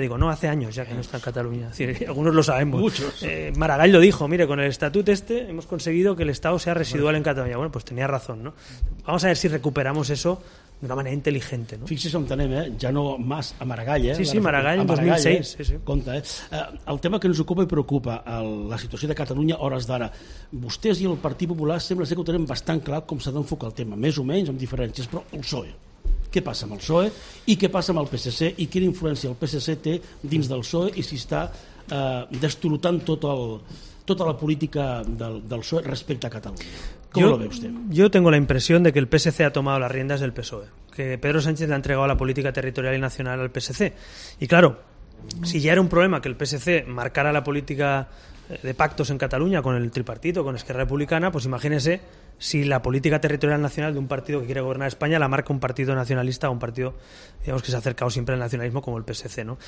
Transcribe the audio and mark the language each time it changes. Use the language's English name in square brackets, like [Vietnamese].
[Spanish] Digo, no, hace años ya que no está en Cataluña. Es decir, algunos lo sabemos. Muchos. Maragall lo dijo, mire, con el estatut este hemos conseguido que el Estado sea residual en Cataluña. Bueno, pues tenía razón, ¿no? Vamos a ver si recuperamos eso de una manera inteligente, ¿no? Fíjese [Catalan] on tenem, [Spanish] ya no más a Maragall, ¿eh? Sí, sí, Maragall en 2006. Sí, sí. [Catalan] Compte, ¿eh? El tema que nos ocupa i preocupa la situació de Catalunya a hores d'ara, vostès i el Partit Popular sembla ser que ho tenen bastant clar com s'ha d'enfocar el tema, més o menys amb diferències, però el PSOE. Què passa amb el PSOE i què passa amb el PSC i quina influència el PSC té dins del PSOE i si està destrotant tota la política del PSOE respecte a Catalunya. [Spanish] ¿Cómo lo ve usted? Yo tengo la impresión de que el PSC ha tomado las riendas del PSOE, que Pedro Sánchez le ha entregado la política territorial y nacional al PSC. Y claro, si ya era un problema que el PSC marcara la política de pactos en Cataluña con el tripartito, con Esquerra Republicana, pues imagínese si la política territorial nacional de un partido que quiere gobernar España la marca un partido nacionalista o un partido, digamos, que se ha acercado siempre al nacionalismo como el PSC, ¿no?